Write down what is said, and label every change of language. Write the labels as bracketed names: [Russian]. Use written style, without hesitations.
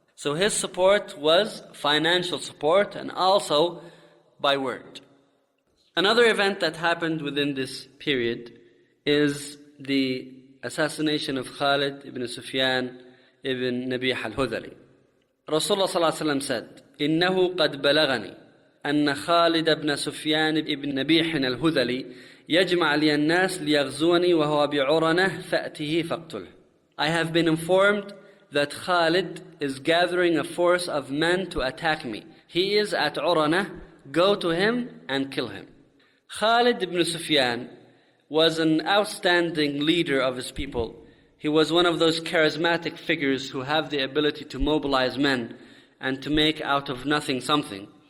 [English] So his support was financial support and also by word. Another event that happened within this period is the assassination of Khalid ibn Sufyan ibn Nabih al-Hudhali. Rasulullah sallallahu alaihi wasallam said, [Arabic] "Innahu qad balagani." أن خالد بن سفيان بن نبيح الهذلي يجمع لي الناس ليغزوني وهو بعرنة فأته فاقتله. [English] I have been informed that Khalid is gathering a force of men to attack me. He is at عرنة. Go to him and kill him. Khalid ibn Sufyan was an outstanding leader of his people. He was one of those charismatic figures who have the ability to mobilize men and to make out of nothing something.